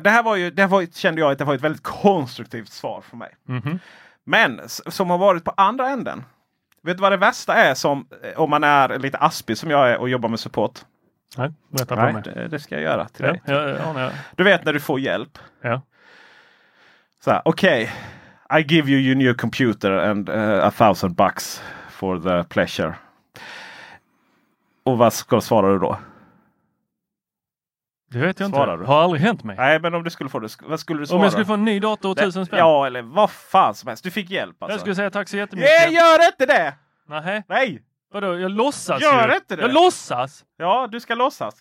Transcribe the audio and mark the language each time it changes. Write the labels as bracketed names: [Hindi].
[Swedish] Det var ett väldigt konstruktivt svar för mig. Men som har varit på andra änden. Vet du vad det värsta är om man är lite aspig som jag är och jobbar med support? Nej, berätta på mig. Det ska jag göra till dig. Ja. Du vet när du får hjälp. Ja. Så här, okej. [English] Okay, I give you your new computer and $1,000 for the pleasure. [Swedish] Och vad ska du svara då? Det vet jag svarar inte. Du? Har aldrig hänt mig. Nej, men om du skulle få det, vad skulle du svara? Om jag skulle få en ny dator och 1000 spänn. Ja, eller vad fan som helst. Du fick hjälp alltså. Jag skulle säga tack så jättemycket. Nej, gör inte det! Nej. Vadå, jag låtsas. Gör ju. Inte det. Jag låtsas. Ja, du ska låtsas.